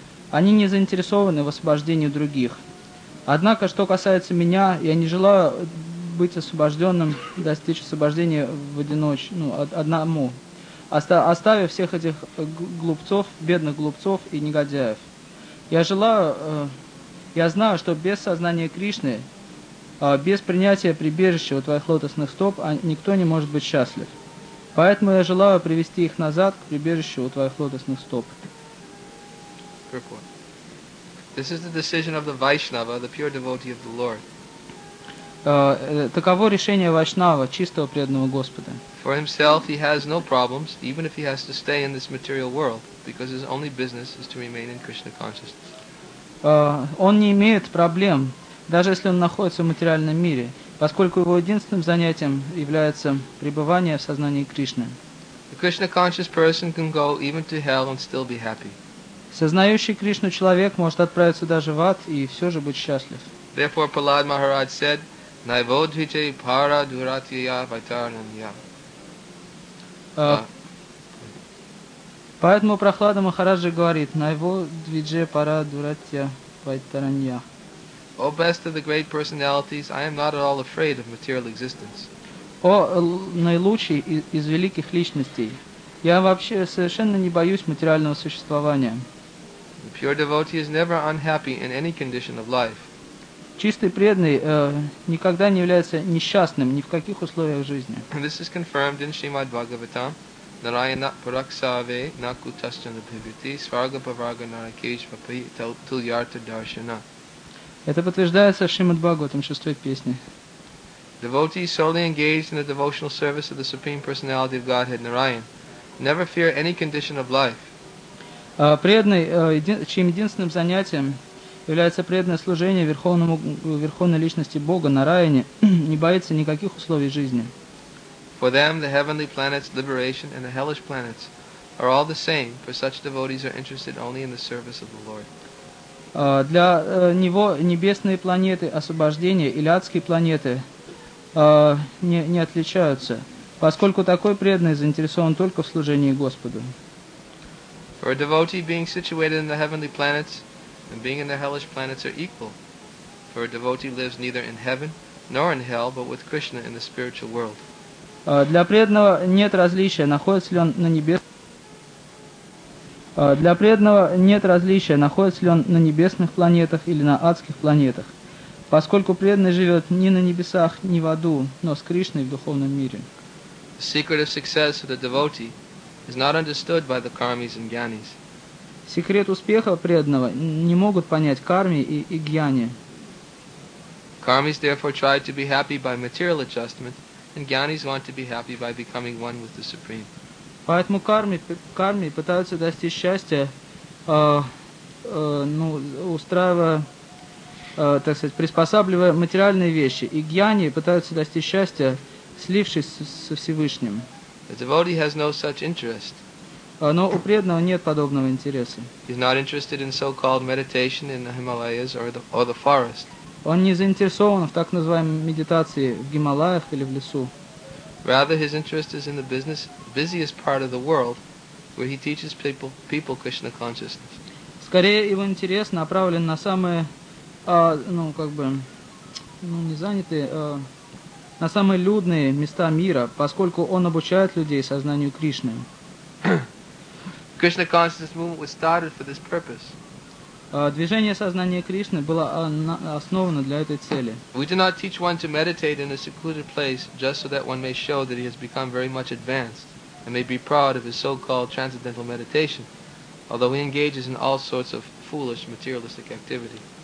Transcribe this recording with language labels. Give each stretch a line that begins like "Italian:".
Russian: Они не заинтересованы в освобождении других. Однако, что касается меня, я не желаю быть освобожденным, достичь освобождения в одиночку, одному, оставив всех этих глупцов, бедных глупцов и негодяев. Я знаю, что без сознания Кришны, без принятия прибежища у твоих лотосных стоп, никто не может быть счастлив. Поэтому я желаю привести их назад к прибежищу у твоих лотосных стоп.
English: This is the decision of the Vaishnava, the pure devotee of the Lord.
Russian: Таково решение Вайшнава, чистого преданного Господа.
English: For himself, he has no problems, even if he has to stay in this material world, because his only business is to remain in Krishna consciousness.
Russian: Он не имеет проблем, даже если он находится в материальном мире, поскольку его единственным занятием является пребывание в сознании Кришны.
English: A Krishna conscious person can go even to hell and still be happy.
Russian: Сознающий Кришну человек может отправиться даже в ад и все же быть счастлив.
English: Therefore, Prahlad Maharaj said,
Sanskrit: Naivodhite para duratiya vaitaranya.
Russian: Поэтому Прохлада Махараджи говорит,
Sanskrit: Naivodhite para duratiya vaitaranya.
English: O best of the great personalities, I am not at all afraid of material existence.
Russian: О наилучший из великих личностей, я вообще совершенно не боюсь материального существования.
English: The pure devotee is never unhappy in any condition of life.
Russian: Чистый преданный никогда не является несчастным ни в каких условиях жизни.
English: This is confirmed in Srimad Bhagavatam.
Sanskrit: Narayana Paraksave Nakutaschana Bhivati Svarga Pavarga Narakeshva Tulyarta Darshana.
Russian: Это подтверждается в Шримад Бхагаватам, 6-й песне.
English: Devotee solely engaged in the devotional service of the Supreme Personality of Godhead Narayan. Never fear any condition of life.
Russian: Преданный, чьим единственным занятием является преданное служение Верховной Личности Бога на Нараяне, не боится никаких условий жизни.
English: For them, the heavenly planets, liberation, and the hellish planets are all the same, for such devotees are interested only in the service of the Lord.
Russian: Для него небесные планеты освобождения или адские планеты не отличаются, поскольку такой преданный заинтересован только в служении Господу.
English: For a devotee being situated in the heavenly planets and being in the hellish planets are equal. For a devotee lives neither in heaven nor in hell, but with Krishna in the spiritual world.
Russian: Для преданного нет различия, находится ли он на небесных. Для преданного нет различия, находится ли он на небесных планетах или на адских планетах, поскольку преданный живет не на небесах, не в аду, но с Кришной в духовном мире.
English: The secret of success of the devotee is not understood by the karmis and gyanis.
Russian: Секрет успеха преданного не могут понять карми и гьяни.
English: Karmis therefore try to be happy by material adjustment, and gyanis want to be happy by becoming one with the Supreme.
Russian: Поэтому карми пытаются достичь счастья, приспосабливая материальные вещи, и гьяни пытаются достичь счастья, слившись со Всевышним.
English: The devotee has no such interest.
Russian: Но у преданного нет подобного интереса.
English: He's not interested in so-called meditation in the Himalayas or the forest.
Russian: Он не заинтересован в так называемой медитации в Гималаях или в лесу.
English: Rather, his interest is in the busiest part of the world, where he teaches people Krishna consciousness.
Russian: Скорее его интерес направлен на самые, на самые людные места мира, поскольку он обучает людей сознанию Кришны.
English: Krishna consciousness movement was started for this purpose.
Russian: Движение сознания Кришны было основано для этой цели.
English: We do not teach one to meditate in a secluded place just so that one may show that he has become very much advanced and may be proud of his so-called transcendental meditation, although he engages in all sorts of foolish materialistic activity.